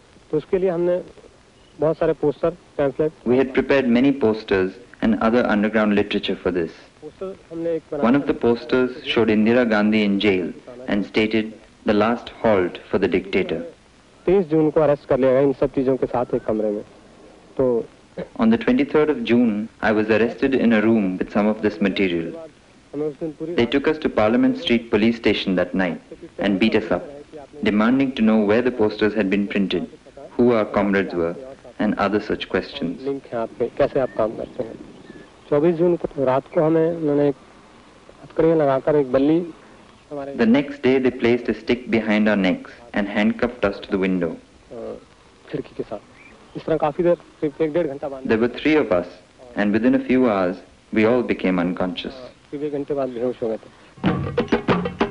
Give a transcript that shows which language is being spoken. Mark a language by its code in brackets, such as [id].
[hi] तो उसके लिए हमने बहुत सारे poster pamphlet [en] we had prepared many posters and other underground literature for this one of the posters showed Indira Gandhi in jail and stated the last halt for the dictator [hi] 23 जून को arrest कर लिया गया इन सब चीजों के साथ एक कमरे में [en] On the 23rd of June, I was arrested in a room with some of this material. They took us to Parliament Street police station that night and beat us up, demanding to know where the posters had been printed, who our comrades were, and other such questions. [hi] कैसे आप काम करते हैं? 24 जून को रात को हमें उन्होंने एक हथकड़ियां लगाकर एक बल्ली हमारे [en] The next day, they placed a stick behind our necks and handcuffed us to the window. [hi] खिड़की के साथ इस तरह काफी देर एक डेढ़ घंटा बाद [en] There were three of us and within a few hours we all became unconscious. [hi] फिर एक घंटे बाद बेहोश हो गए थे